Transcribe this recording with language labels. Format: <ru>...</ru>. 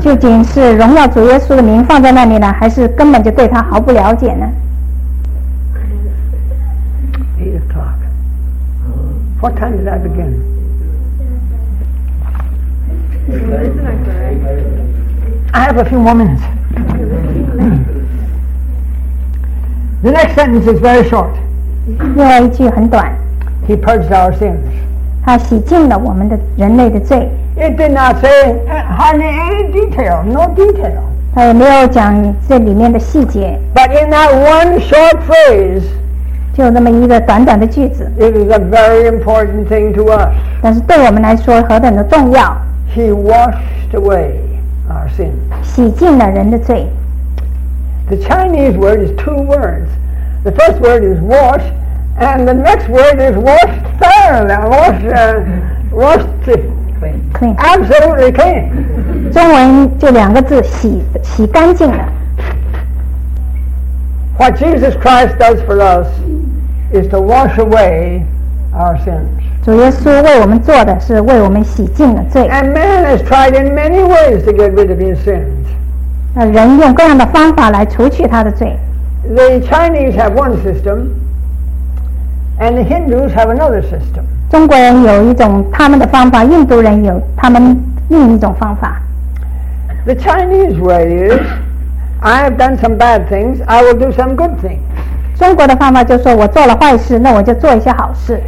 <zh>究竟是荣耀主耶稣的名放在那里呢，还是根本就对他毫不了解呢？</zh> <en>8 o'clock. What time did I begin? I have a few more minutes. The next sentence is very short.</en> <zh>另外一句很短。</zh> <en>He purged our sins.</en> <zh>他洗净了我们的人类的罪。</zh> <en>It did not say hardly any detail, no detail.</en> <zh>他也没有讲这里面的细节。</zh> <en>But in that one short phrase,</en> <zh>就那么一个短短的句子。</zh> <en>It is a very important thing to us.</en> <zh>但是对我们来说何等的重要。</zh> <en>He washed away our sins.</en> <zh>洗净了人的罪。</zh> <en>The Chinese word is two words. The first word is wash, and the next word is washed thoroughly. Washed clean. Absolutely clean.</en> <zh>中文就两个字，洗，洗干净了。</zh> <en>What Jesus Christ does for us is to wash away our sins.</en> <zh>主耶稣为我们做的是为我们洗净了罪。</zh> <en>And man has tried in many ways to get rid of his sins.</en> <zh>人用各样的方法来除去他的罪。</zh> <en>The Chinese have one system, and the Hindus have another system.</en> <zh>中国人有一种他们的方法，印度人有他们另一种方法。</zh> <en>The Chinese way is, I have done some bad things, I will do some good things.</en> <zh>中国的方法就说我做了坏事，那我就做一些好事。</zh>